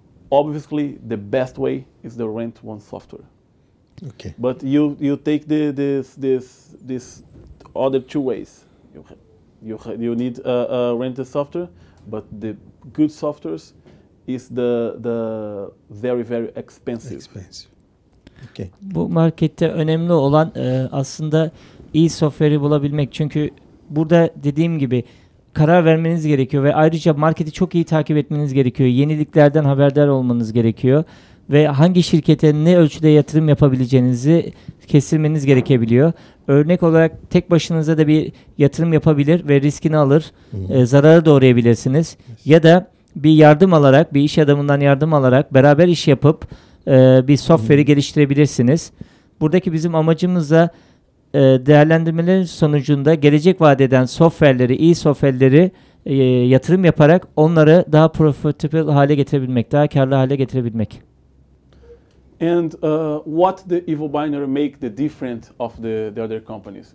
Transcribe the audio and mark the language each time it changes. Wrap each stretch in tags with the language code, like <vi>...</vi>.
<en>Obviously, the best way is to rent one software. Okay. But you take this other two ways. You need rent a software, but the good softwares is the very very expensive. Okay.</en> <tr>Bu markette önemli olan aslında iyi software'i bulabilmek. Çünkü burada dediğim gibi karar vermeniz gerekiyor ve ayrıca marketi çok iyi takip etmeniz gerekiyor. Yeniliklerden haberdar olmanız gerekiyor. Ve hangi şirkete ne ölçüde yatırım yapabileceğinizi kestirmeniz gerekebiliyor. Örnek olarak tek başınıza da bir yatırım yapabilir ve riskini alır, zarara doğrayabilirsiniz.</tr> <en>Yes.</en> <tr>Ya da bir yardım alarak, bir iş adamından yardım alarak beraber iş yapıp bir software'i geliştirebilirsiniz. Buradaki bizim amacımız da değerlendirmelerin sonucunda gelecek vadeden software'leri, iyi software'leri yatırım yaparak onları daha profitable hale getirebilmek, daha karlı hale getirebilmek.</tr> <en>And what the EvoBinary make the different of the other companies?</en>